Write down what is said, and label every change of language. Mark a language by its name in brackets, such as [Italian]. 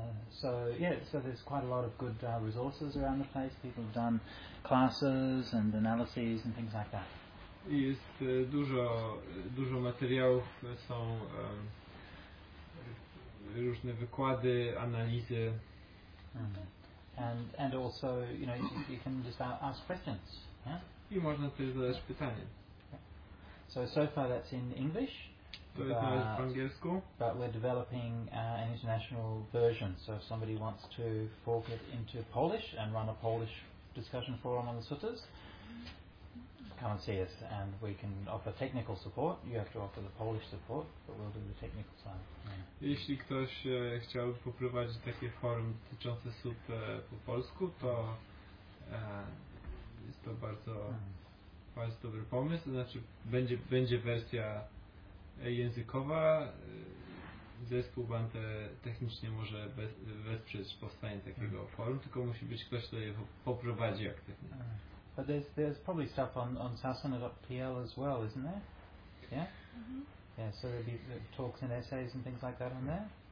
[English] So there's quite a lot of good resources around the place. People have done classes and analyses and things like that. [Polish] Jest dużo materiałów, są różne wykłady, analizy. [English] And also, you know, you can just ask questions. Yeah? [Polish] I można też zadać pytanie. [English] So far that's in English. [Polish] To jest nawet po angielsku. [English] But we're developing an international version. So if somebody wants to fork it into Polish and run a Polish discussion forum on the suttas, come and see us and we can offer technical support. You have to offer the Polish support, but we'll do the technical side. Yeah. [Polish] Jeśli ktoś chciałby poprowadzić takie forum dotyczące sut po polsku, to jest to bardzo bardzo dobry pomysł. Znaczy będzie wersja językowa. Zespół Bante technicznie może wesprzeć powstanie takiego forum, tylko musi być ktoś, kto je poprowadzi aktywnie. [English] But there's probably stuff on sasana.pl as well, isn't there? Yeah? Mm-hmm. Yeah, so there'll be talks and essays and things like that on there?